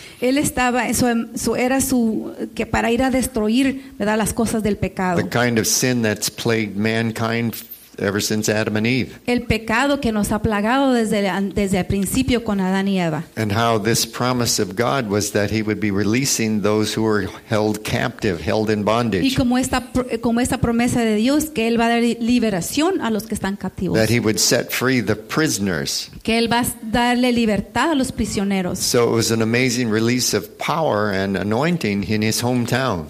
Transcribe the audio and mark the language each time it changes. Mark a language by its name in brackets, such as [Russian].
[Spanish] Él estaba eso era su que para ir a destruir, ¿verdad?, las cosas del pecado. [English] The kind of sin that's plagued mankind ever since Adam and Eve. [Spanish] El pecado que nos ha plagado desde el principio con Adán y Eva. [English] And how this promise of God was that he would be releasing those who were held captive, held in bondage. [Spanish] Y como esta promesa de Dios que él va a dar liberación a los que están cautivos. [English] That he would set free the prisoners. [Spanish] Que él va a darle libertad a los prisioneros. [English] So it was an amazing release of power and anointing in his hometown.